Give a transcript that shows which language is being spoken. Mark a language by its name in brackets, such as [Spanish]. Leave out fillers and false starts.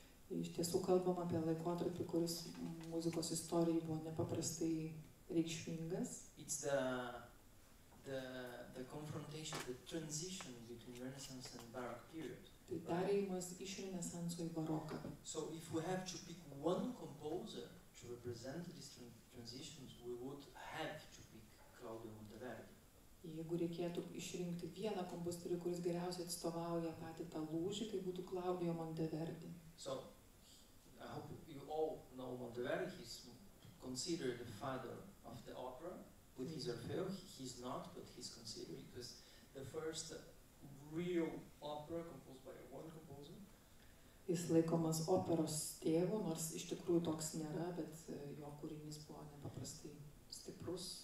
[Lithuanian] Iš tiesų kalbam apie laikotarpį, kuris muzikos istorijai buvo nepaprastai reikšmingas. [English] It's the confrontation, the transition between Renaissance and Baroque period. [Lithuanian] Tai darėjimas iš Renesanso į baroką. [English] So if we have to pick one composer to represent this transitions, we would have to pick Claudio Monteverdi. [Lithuanian] Jeigu reikėtų išrinkti vieną kompozitorių, kuris geriausiai atstovauja patį tą lūžį, tai būtų Claudio Monteverdi. [English] So, I hope you all know Monteverdi, he's considered the father of the opera, with his Orfeo, he's not, but he's considered, because the first real opera composed by one composer. [Lithuanian] Jis laikomas operos tėvu, nors iš tikrųjų toks nėra, bet jo kūrinys buvo nepaprastai stiprus.